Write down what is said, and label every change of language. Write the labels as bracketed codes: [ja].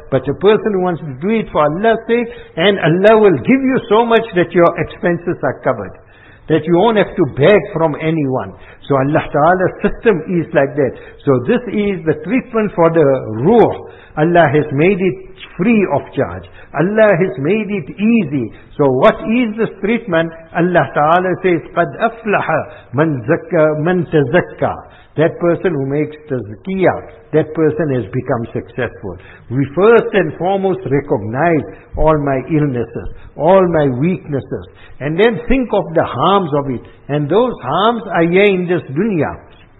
[en] But a person who wants to do it for Allah's sake, and Allah will give you so much that your expenses are covered, that you won't have to beg from anyone. So Allah Ta'ala's system is like that. So this is the treatment for the ruh. Allah has made it free of charge. Allah has made it easy. So what is this treatment? Allah Ta'ala says, [ar] قَدْ أَفْلَحَ مَنْ تَزَكَّى. [en] That person who makes tazkiyah, that person has become successful. We first and foremost recognize all my illnesses, all my weaknesses, and then think of the harms of it. And those harms are here in this dunya.